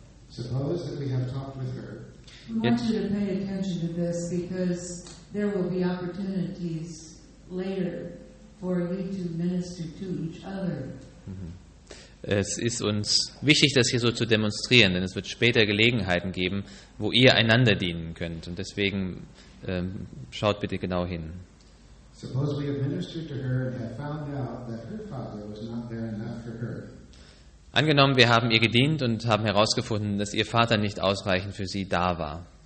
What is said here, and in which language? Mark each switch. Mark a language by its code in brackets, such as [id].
[de] Es ist uns wichtig, das hier so zu demonstrieren, denn es wird später Gelegenheiten geben, wo ihr einander dienen könnt. Und deswegen schaut bitte genau hin. [en] Suppose we have ministered to her and have found out that her father was not there enough for her. [de] Angenommen, wir haben ihr gedient und haben herausgefunden, dass ihr Vater nicht ausreichend für sie da war.